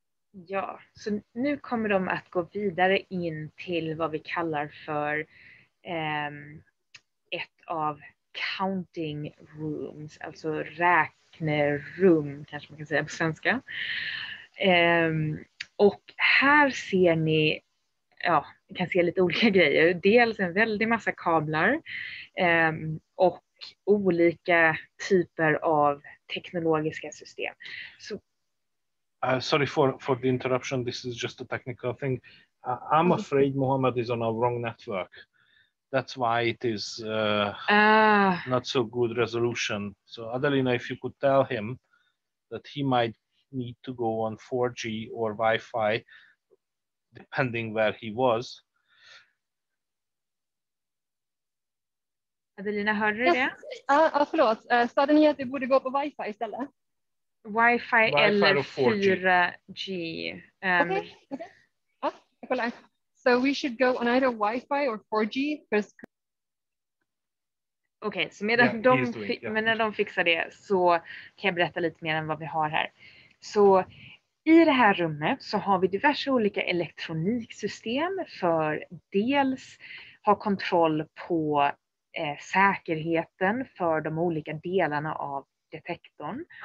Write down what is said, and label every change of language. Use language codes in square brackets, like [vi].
[sv] Ja, så nu kommer de att gå vidare in till vad vi kallar för ett av counting rooms, alltså räknerum kanske man kan säga på svenska. Och här ser ni, ja, ni kan se lite olika grejer. Dels en väldig massa kablar och olika typer av teknologiska system. [en] So, sorry for the interruption. This is just a technical thing. I'm afraid Mohammed is on a wrong network. That's why it is not so good resolution. So Adelina, if you could tell him that he might need to go on 4G or Wi-Fi, depending where he was. [sv] Adelina, hörde du det? Förlåt. Sade ni att vi borde gå på Wi-Fi istället? Wi-Fi eller 4G. Okej. Jag kollar. [en] So we should go on either Wi-Fi or 4G. [sv] Okay, så medan, yeah, de, medan de fixar det så kan jag berätta lite mer än vad vi har här. Så i det här rummet så har vi diverse olika elektroniksystem för dels ha kontroll på säkerheten för de olika delarna av detektorn.